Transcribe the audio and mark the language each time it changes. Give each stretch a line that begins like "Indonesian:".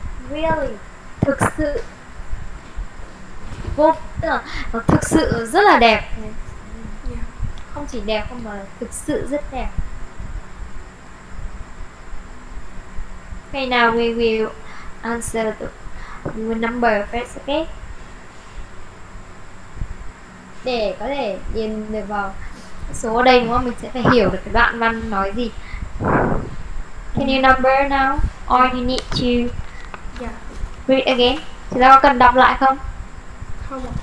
English: Really.
Vietnamese: Thực sự. Vô, thực sự rất là đẹp. Không chỉ đẹp không mà thực sự rất đẹp.
English: Okay, now we will answer the number first, okay?
Vietnamese: Để có thể điền được vào số ở đây đúng không? Mình sẽ phải hiểu được cái đoạn văn nói gì.
English: Can you number now? Or you need to read again?
Vietnamese: Chúng ta có cần đọc lại không? Không.